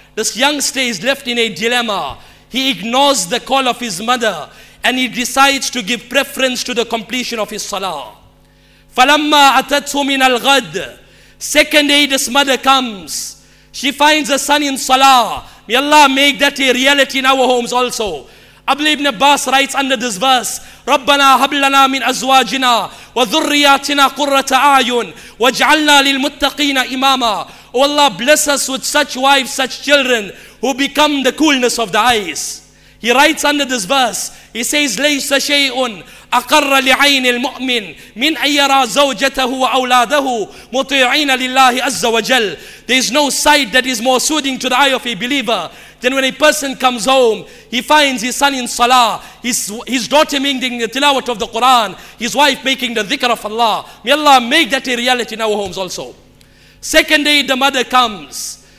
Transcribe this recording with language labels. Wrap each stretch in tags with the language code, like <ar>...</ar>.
<en>This youngster is left in a dilemma. He ignores the call of his mother and he decides to give preference to the completion of his salah.</en> <ar>Falamma atatu min al-ghad.</ar> <en>Second day, this mother comes. She finds a son in salah. May Allah make that a reality in our homes also. Abu ibn Abbas writes under this verse,</en> <ar>رَبَّنَا هَبْلَنَا مِنْ أَزْوَاجِنَا وَذُرِّيَاتِنَا قُرَّةَ أَعْيُنْ وَاجْعَلْنَا لِلْمُتَّقِينَ إِمَامًا.</ar> <en>Oh Allah, bless us with such wives, such children, who become the coolness of the eyes. He writes under this verse, he says,</en> <ar>لَيْسَ شَيْءٌ أقر لعين المؤمن من أن يرى زوجته وأولاده مطيعين لله عز وجل.</ar> <en>There is no sight that is more soothing to the eye of a believer than when a person comes home, he finds his son in salah, his daughter making the tilawat of the Quran, his wife making the dhikr of Allah. May Allah make that a reality in our homes also. Second day, the mother comes.</en>